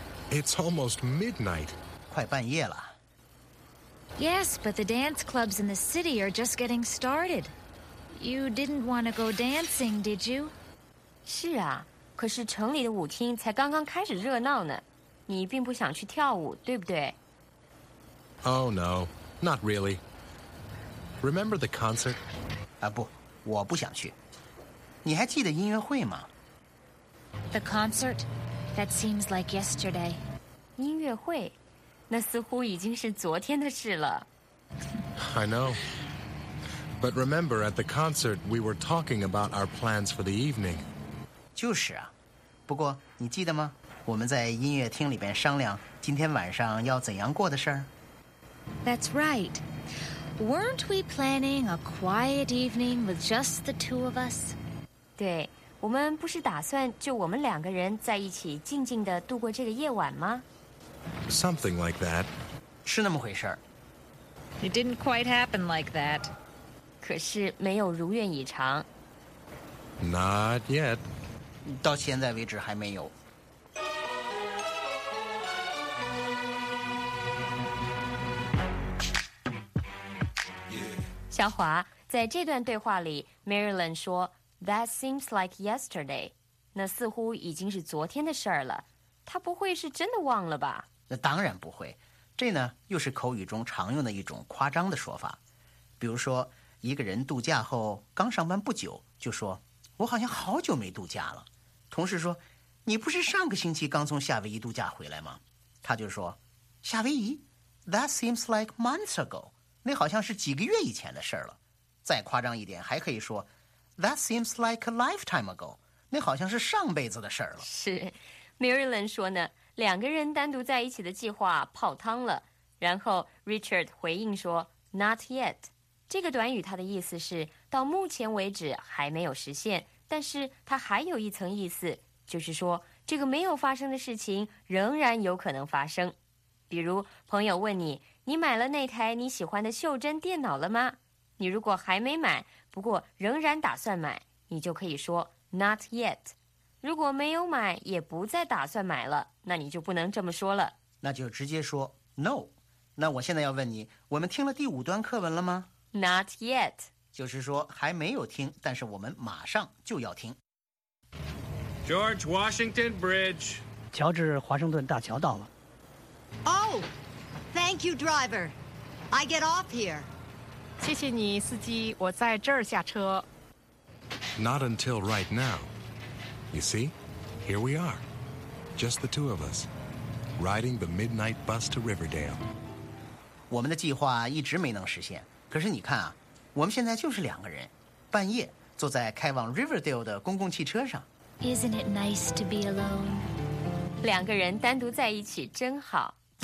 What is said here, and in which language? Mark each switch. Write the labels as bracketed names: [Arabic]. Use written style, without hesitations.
[English] It's almost midnight. [Chinese] 快半夜了。 [English] Yes, but the dance clubs in the city are just getting started. You didn't want to go dancing, did you? [Chinese] 是啊，可是城里的舞厅才刚刚开始热闹呢。你并不想去跳舞，对不对？ [English] Oh, no, not really. Remember the concert? [Chinese] 啊，不，我不想去。你还记得音乐会吗？ [English] The concert? That seems like yesterday. [Chinese] 音乐会？那似乎已经是昨天的事了。 [English] I know. But remember, at the concert, we were talking about our plans for the evening. [Chinese] 就是啊。不过你记得吗？我们在音乐厅里边商量今天晚上要怎样过的事儿。 [English] That's right. Weren't we planning a quiet evening with just the two of us? [Chinese] 对，我们不是打算就我们两个人在一起静静地度过这个夜晚吗？ [English] Something like that. [Chinese] 是那么回事儿。 [English] It didn't quite happen like that. [Chinese] 可是没有如愿以偿。 [English] Not yet. [Chinese] 到现在为止还没有。小华，在这段对话里 ，Marilyn 说 "That seems like yesterday." 那似乎已经是昨天的事儿了。他不会是真的忘了吧？那当然不会，这呢又是口语中常用的一种夸张的说法。比如说，一个人度假后刚上班不久，就说我好像好久没度假了。同事说，你不是上个星期刚从夏威夷度假回来吗？他就说，夏威夷 ？ That seems like months ago. 那好像是几个月以前的事了。再夸张一点，还可以说 ， That seems like a lifetime ago. 那好像是上辈子的事了。是 ，Marilyn 说呢。两个人单独在一起的计划泡汤了，然后 Richard 回应说 Not yet，这个短语它的意思是到目前为止还没有实现，但是它还有一层意思，就是说这个没有发生的事情仍然有可能发生。比如朋友问你，你买了那台你喜欢的袖珍电脑了吗？你如果还没买，不过仍然打算买，你就可以说 Not yet。如果没有买，也不再打算买了，那你就不能这么说了。那就直接说 no。那我现在要问你，我们听了第五段课文了吗 [English] ？Not yet。 [Chinese] 就是说还没有听，但是我们马上就要听。 [English] George Washington Bridge。 [Chinese] 乔治华盛顿大桥到了。 [English] Oh, thank you, driver. I get off here. [Chinese] 谢谢你，司机，我在这儿下车。 [English] Not until right now. You see, here we are, just the two of us, riding the midnight bus to Riverdale. [Chinese] 我们的计划一直没能实现，可是你看啊，我们现在就是两个人，半夜坐在开往 Riverdale 的公共汽车上。 [English] Isn't it nice to be alone? [Chinese] 两个人单独在一起真好。